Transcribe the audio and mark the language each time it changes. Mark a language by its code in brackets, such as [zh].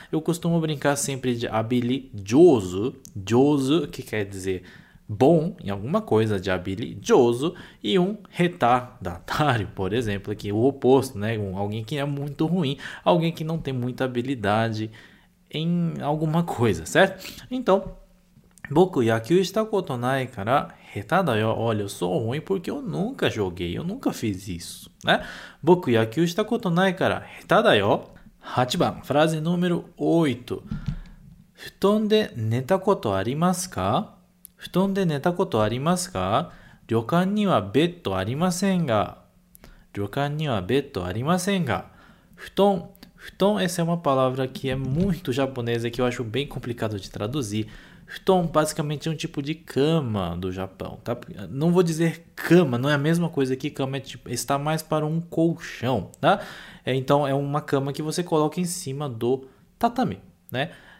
[pt] Eu costumo brincar sempre de habilidoso, joso, que quer dizer bom em alguma coisa, de habilidoso, e um retardatário, por exemplo, aqui, o oposto, né? Alguém que é muito ruim, alguém que não tem muita habilidade em alguma coisa, certo? [ja] Então, 僕、野球したことないから、下手だよ。 [pt] Olha, eu sou ruim porque eu nunca joguei, eu nunca fiz isso, né? [ja] 僕、野球したことないから、下手だよ。8番、フラーズ [pt] número 8。 [ja] 布団で寝たことありますか？布団で寝たことありますか？旅館にはベッドありませんが。旅館にはベッドありませんが。 [pt] 布団、essa é uma palavra que é muito japonesa que eu acho bem complicado de traduzir. Futon basicamente é um tipo de cama do Japão, tá? Não vou dizer cama, não é a mesma coisa que cama, está mais para um colchão, tá? Então é uma cama que você coloca em cima do tatame, né?